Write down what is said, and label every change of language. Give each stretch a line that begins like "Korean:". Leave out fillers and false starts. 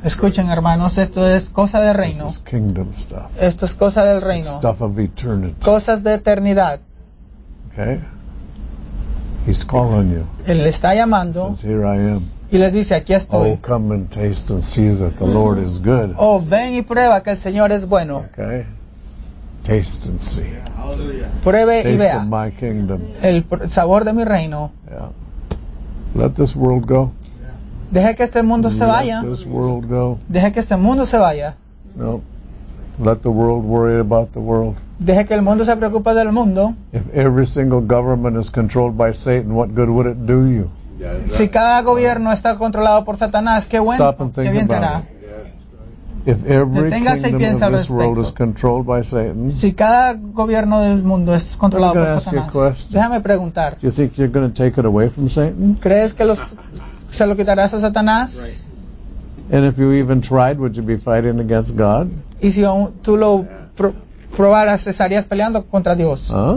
Spanish: Escuchen, hermanos, esto es cosa de reino.
English: This is kingdom stuff.
Spanish: Esto es cosa del reino.
English: It's stuff of eternity.
Spanish: Cosas de eternidad.
English: Okay. He's calling you.
Spanish: Él está llamando.
English: He says, here I am.
Spanish: Y les dice, aquí estoy.
English: Oh, come and taste and see that the Lord is good.
Spanish: Oh, ven y prueba que el Señor es bueno.
English: Okay. Taste and see. Yeah.
Spanish: Pruebe
English: taste
Spanish: y vea.
English: Taste of my kingdom.
Spanish: El sabor de mi reino.
English: Yeah. Let this world go.
Spanish: Deje que este mundo
English: let
Spanish: se vaya.
English: Let this world go.
Spanish: Deje que este mundo se vaya.
English: No. Let the world worry about the world.
Spanish: Deje que el mundo se preocupe del mundo.
English: If every single government is controlled by Satan, what good would it do you?
Spanish: Si cada gobierno está controlado por Satanás, qué bueno, qué bien será.
English: If every kingdom of this world is controlled by Satan,
Spanish: si cada gobierno del mundo es controlado por Satanás, déjame preguntar.
English: You think you're going to take it away from Satan?
Spanish: ¿Crees que se lo quitarás a Satanás?
English: And if you even tried, would you be fighting against God?
Spanish: ¿Y si tú lo probaras, estarías peleando contra Dios?